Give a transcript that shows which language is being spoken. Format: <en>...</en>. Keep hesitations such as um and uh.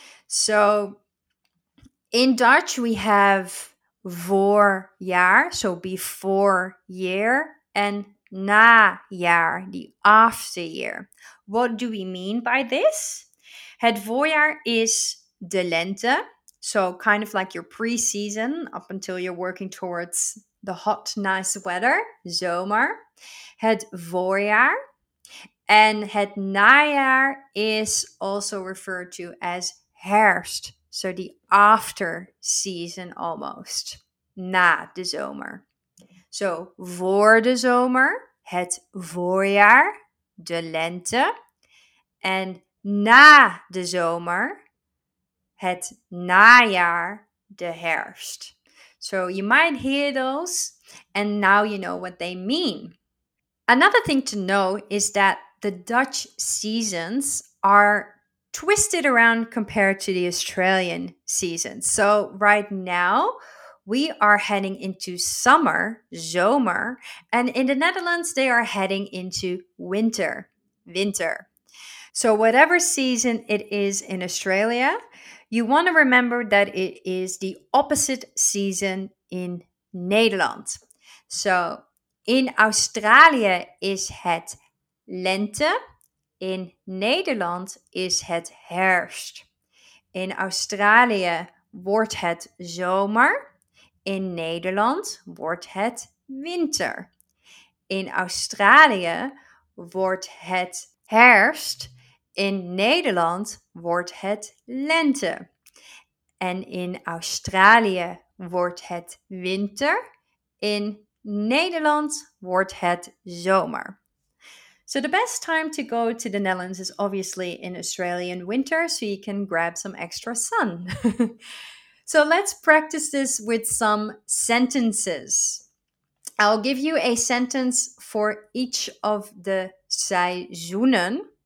<en>So in Dutch we have voorjaar, so before year and najaar, the after year. What do we mean by this?</en> <nl>Het voorjaar is de lente.</nl> <en>So, kind of like your pre season up until you're working towards the hot, nice weather, zomer.</en> <nl>Het voorjaar.</nl> <en>And</en> <nl>het najaar</nl> <en>is also referred to as herfst. So, the after season almost.</en> <nl>Na de zomer. So, voor de zomer, het voorjaar, de lente. And na de zomer, het najaar, de herfst.</nl> <en>So you might hear those and now you know what they mean. Another thing to know is that the Dutch seasons are twisted around compared to the Australian seasons. So right now we are heading into summer, zomer, and in the Netherlands they are heading into winter, winter. So, whatever season it is in Australia, you want to remember that it is the opposite season in Nederland.</en> <nl>So, in Australia is het lente, in Nederland is het herfst. In Australia wordt het zomer, in Nederland wordt het winter. In Australia wordt het herfst. In Nederland wordt het lente. En in Australië wordt het winter. In Nederland wordt het zomer.</nl> <en>So the best time to go to the Netherlands is obviously in Australian winter so you can grab some extra sun. so let's practice this with some sentences. I'll give you a sentence for each of the seizoenen.</en>